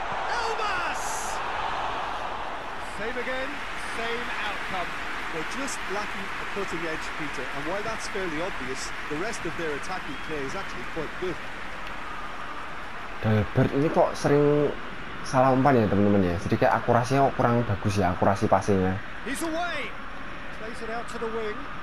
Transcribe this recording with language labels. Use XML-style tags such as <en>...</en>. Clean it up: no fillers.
<en>Elmas! Same again, same outcome. They're just lacking a cutting edge, Peter. And while that's fairly obvious, the rest of their attacking play is actually quite good.</en> <id>Delbert ini kok sering salah umpan ya, teman-teman ya. Jadi kayak akurasinya kurang bagus ya, akurasi passingnya.</id> <en>He's away. Plays it out to the wing.</en>